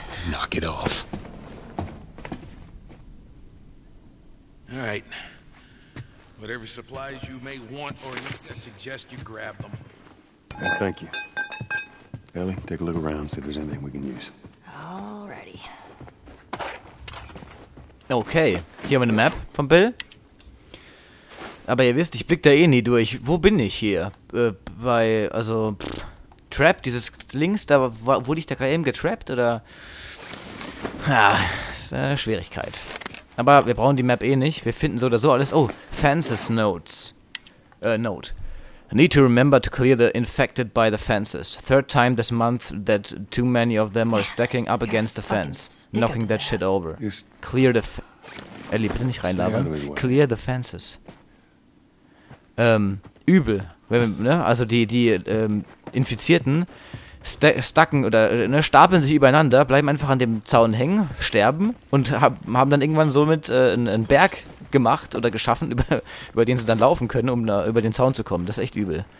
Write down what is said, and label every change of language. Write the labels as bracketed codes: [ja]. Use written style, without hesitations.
[en] Knock it off. All right. Whatever supplies you may want or need, I suggest you grab them. Well, thank you. Ellie, take a look around, see if there's anything we can use. Alrighty. [de] Okay, hier haben wir eine Map von Bill. Aber ihr wisst, ich blick da eh nie durch. Wo bin ich hier? Bei, also, pff, Trap, dieses links, da wurde ich da gerade eben getrappt, oder? Ja, ist eine Schwierigkeit. Aber wir brauchen die Map eh nicht. Wir finden so oder so alles. Oh, [en] Fences Notes. Note. I need to remember to clear the infected by the fences. Third time this month that too many of them are stacking up against the fence. Knocking that shit over. Clear the Ellie, [de] bitte nicht reinlabern. [en] Clear the fences. [de] Übel. Ne? Also die Infizierten stacken oder ne, stapeln sich übereinander, bleiben einfach an dem Zaun hängen, sterben und haben dann irgendwann somit einen Berg gemacht oder geschaffen, über den sie dann laufen können, um über den Zaun zu kommen. Das ist echt übel.